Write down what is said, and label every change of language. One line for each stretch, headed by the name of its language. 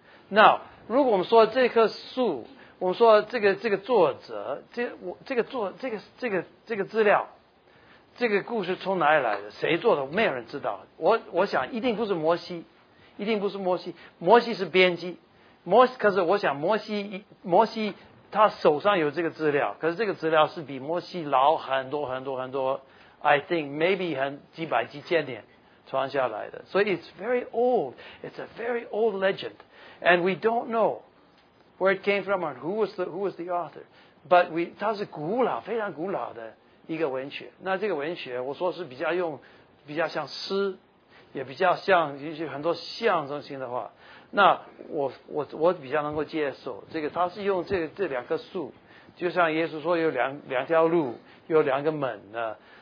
Chinese: Now， 如果我们说这棵树，我们说这个作者，这个资料，这个故事从哪里来的？谁做的？没有人知道。我想一定不是摩西，一定不是摩西。摩西是编辑，摩西可是我想摩西他手上有这个资料，可是这个资料是比摩西老很多很多很多 ，
English: I think maybe
Chinese: 很几百几千年。传下来的，所以
English: it's very old. It's a very old legend, and we don't know where it came from or who was the author.
Chinese: But 它是古老，非常古老的一个文学。那这个文学，我说是比较像诗，也比较像一些很多象征性的话。那我比较能够接受这个，它是用这两棵树，就像耶稣说有两条路，有两个门呢。